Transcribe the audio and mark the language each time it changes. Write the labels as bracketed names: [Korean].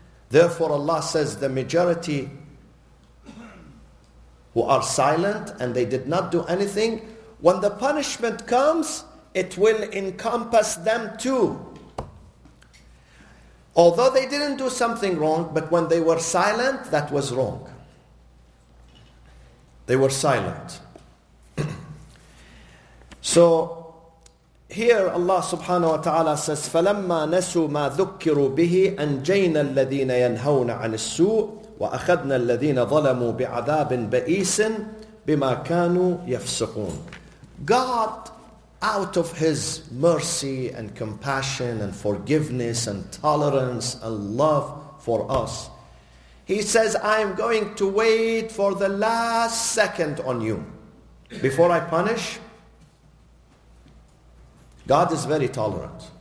[English] Therefore, Allah says the majority who are silent and they did not do anything, when the punishment comes, it will encompass them too. Although they didn't do something wrong, but when they were silent, that was wrong. They were silent. So, here [Arabic] Allah subhanahu wa ta'ala says, فَلَمَّا نَسُوا مَا ذُكِّرُوا بِهِ أَنْجَيْنَا الَّذِينَ يَنْهَوْنَ عَنِ السُّوءِ وَأَخَذْنَا الَّذِينَ ظَلَمُوا بِعَذَابٍ بَئِيسٍ بِمَا كَانُوا يَفْسُقُونَ. [English] God, out of His mercy and compassion and forgiveness and tolerance and love for us, He says, I am going to wait for the last second on you before I punish. God is very tolerant.